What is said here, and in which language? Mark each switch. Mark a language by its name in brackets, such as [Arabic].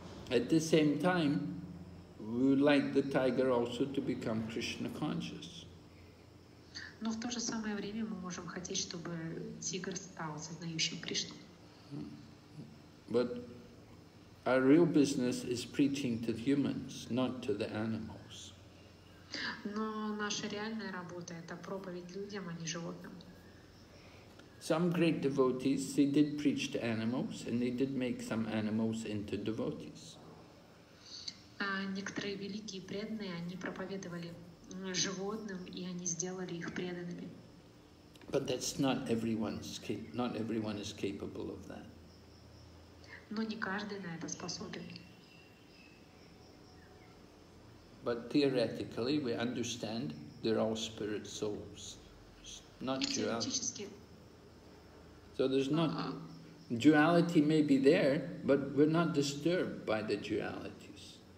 [English] At the same time, we would like the tiger also to become Krishna conscious. [Russian] Но в то же самое время мы можем хотеть, чтобы тигр стал сознающим Кришну. [English] But our real business is preaching to humans, not to the animals. [Russian] Но наша реальная работа — это проповедь людям, а не животным. [English] Some great devotees, they did preach to animals, and they did make some animals into devotees. [Russian] Некоторые великие преданные, они проповедовали животным, и они сделали их преданными. [English] But that's not everyone's, not everyone is capable of that. [Russian] Но не каждый на это способен. [English] But theoretically, we understand they're all spirit souls, not duality. So there's not duality may be there, but we're not disturbed by the dualities.